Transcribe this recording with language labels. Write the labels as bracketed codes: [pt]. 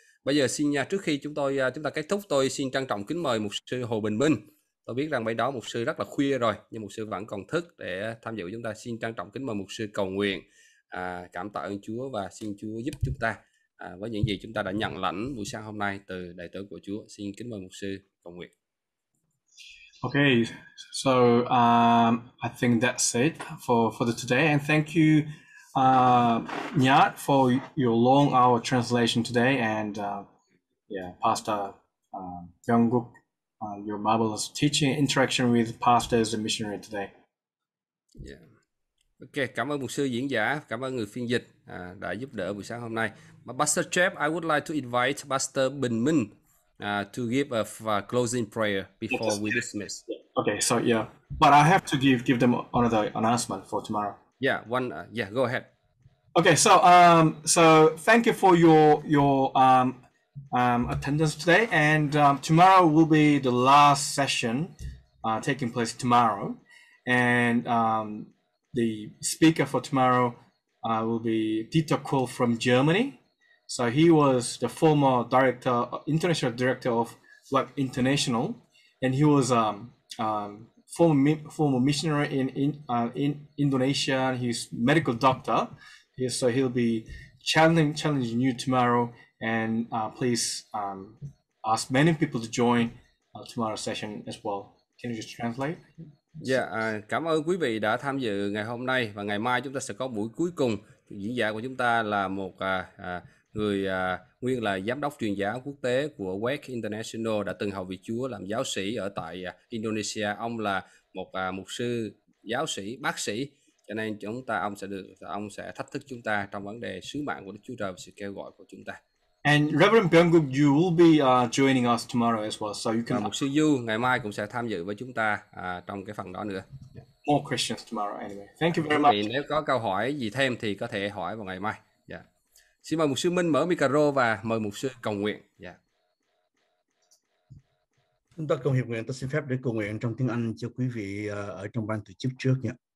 [vi] Bây giờ xin trước khi chúng ta kết thúc, tôi xin trân trọng kính mời mục sư Hồ Bình Minh. Tôi biết rằng bên đó mục sư rất là khuya rồi, nhưng mục sư vẫn còn thức để tham dự chúng ta. Xin trân trọng kính mời mục sư cầu nguyện. Cảm tạ ơn Chúa và xin Chúa giúp chúng ta với những gì chúng ta đã nhận lãnh buổi sáng hôm nay từ đại tớ của Chúa. Xin kính mời mục sư cầu nguyện. [en] Okay, so I think that's it for the today, and thank you Nhat for your long hour translation today, and Pastor Jungkook, your marvelous teaching interaction with pastors and missionary today. Yeah. [vi] Ok, cảm ơn mục sư diễn giả, cảm ơn người phiên dịch đã giúp đỡ buổi sáng hôm nay. [en] Pastor Jeff, I would like to invite Pastor Bình Minh to give a closing prayer before we dismiss. Okay, so yeah, but I have to give them another announcement for tomorrow. Yeah, go ahead. Okay, so thank you for your attendance today, and tomorrow will be the last session taking place tomorrow, and the speaker for tomorrow will be Dieter Kohl from Germany. So he was the former international director of WEC International, and he was former missionary in Indonesia. He's medical doctor. So he'll be challenging you tomorrow, and please ask many people to join tomorrow's session as well. Can you just translate? [vi] Cảm ơn quý vị đã tham dự ngày hôm nay, và ngày mai chúng ta sẽ có buổi cuối cùng. Diễn giả của chúng ta là một người nguyên là giám đốc truyền giáo quốc tế của WEC International, đã từng hầu vị Chúa làm giáo sĩ ở tại Indonesia. Ông là một mục sư, giáo sĩ, bác sĩ, cho nên ông sẽ thách thức chúng ta trong vấn đề sứ mạng của Đức Chúa Trời và sự kêu gọi của chúng ta. [en] And Reverend Byung-guk, you will be joining us tomorrow as well, so you can. [vi] Mục sư Yu ngày mai cũng sẽ tham dự với chúng ta trong cái phần đó nữa. [en] more questions tomorrow anyway. Thank you very much. [vi] Vì nếu có câu hỏi gì thêm thì có thể hỏi vào ngày mai. Dạ. Xin mời mục sư Minh mở micro và mời mục sư cầu nguyện. Dạ. Chúng ta cùng hiệp nguyện, tôi xin phép để cầu nguyện trong tiếng Anh cho quý vị ở trong ban tổ chức trước nhé.